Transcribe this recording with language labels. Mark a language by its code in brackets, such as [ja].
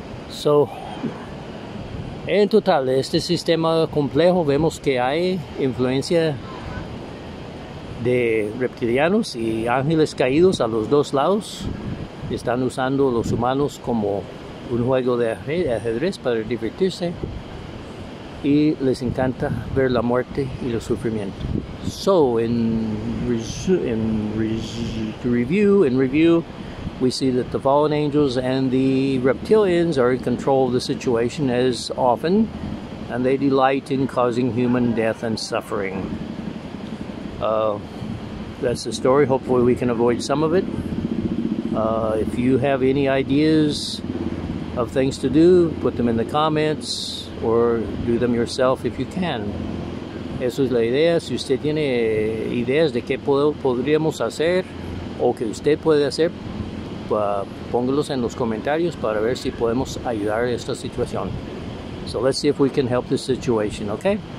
[es] So, en total, este sistema complejo, vemos que hay influencia de reptilianos y ángeles caídos a los dos lados. Están usando los humanos como un juego de ajedrez para divertirse, y les encanta ver la muerte y el sufrimiento. [en] So in review, we see that the fallen angels and the reptilians are in control of the situation as often, and they delight in causing human death and suffering. That's the story. Hopefully we can avoid some of it. If you have any ideas of things to do, put them in the comments, or do them yourself if you can. [es] Eso es la idea. Si usted tiene ideas de qué podríamos hacer, o que usted puede hacer, póngalos en los comentarios para ver si podemos ayudar en esta situación. [en] So let's see if we can help this situation, okay?